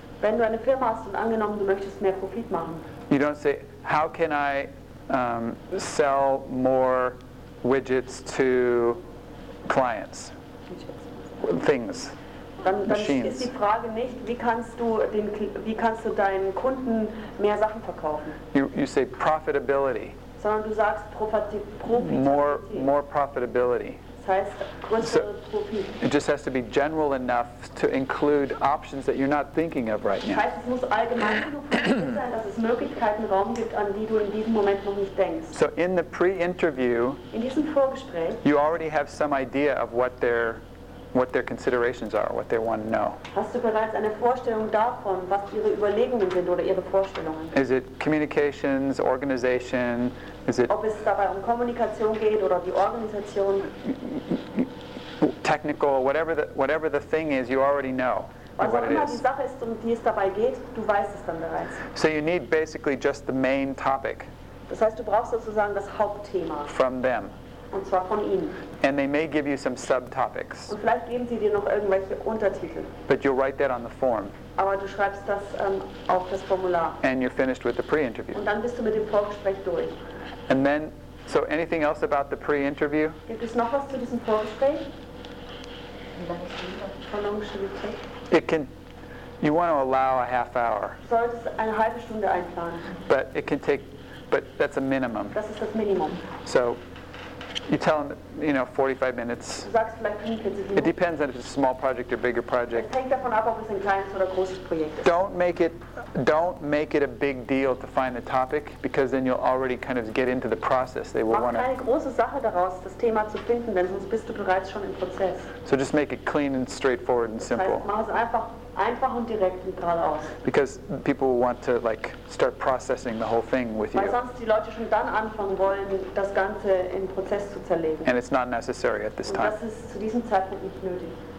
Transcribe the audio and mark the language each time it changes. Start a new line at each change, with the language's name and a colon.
German: Wenn du eine Firma hast und angenommen, du möchtest mehr Profit machen.
English: You don't say, how can I sell more widgets to clients, things, machines.
German: Dann ist die Frage nicht, wie kannst du deinen Kunden mehr Sachen verkaufen?
English: You say profitability.
German: Sondern du sagst Profitability.
English: More profitability.
German: Das heißt größere Profit.
English: It just has to be general enough to include options that you're not thinking of right now.
German: Das heißt, es muss allgemein genug sein, dass es Möglichkeiten Raum gibt, an die du in diesem Moment noch nicht denkst.
English: So in the pre-interview,
German: in diesem Vorgespräch,
English: you already have some idea of what they're what their considerations are, what they want to know.
German: Hast du bereits eine Vorstellung davon, was ihre Überlegungen sind oder ihre Vorstellungen?
English: Is it communications, organization? Is it?
German: Ob es dabei um Kommunikation geht oder die Organisation?
English: Technical, whatever the thing is, you already know.
German: Was auch immer die Sache ist, um die es dabei geht, du weißt es dann bereits.
English: So you need basically just the main topic.
German: Das heißt, du brauchst sozusagen das Hauptthema.
English: From them.
German: Und zwar von ihnen.
English: And they may give you some subtopics.
German: Und vielleicht geben sie dir noch irgendwelche Untertitel.
English: But you'll write that on the form.
German: Aber du schreibst das auf das Formular.
English: And you're finished with the pre-interview.
German: Und dann bist du mit dem Vorgespräch durch.
English: And then, so anything else about the pre-interview?
German: Gibt es noch was zu diesem Vorgespräch?
English: How long should it take? It can, you want to allow a half hour.
German: Solltest eine halbe Stunde einplanen.
English: But it can take, but that's a minimum.
German: Das ist das Minimum.
English: So you tell them, you know, 45 minutes.
German: Du sagst vielleicht 45 Minuten.
English: It depends on if it's a small project or bigger project.
German: Es hängt davon ab, ob es ein kleines oder großes Projekt ist.
English: Don't make it a big deal to find the topic, because then you'll already kind of get into the process. They will want to.
German: Mach keine große Sache daraus, das Thema zu finden, denn sonst bist du bereits schon im Prozess.
English: So just make it clean and straightforward and simple.
German: Das heißt, mach es einfach und direkt und geradeaus.
English: Because people want to like start processing the whole thing with you.
German: Weil sonst die Leute schon dann anfangen wollen, das Ganze in Prozess zu zerlegen.
English: And it's not necessary at this time.
German: Und das ist zu diesem Zeitpunkt nicht nötig.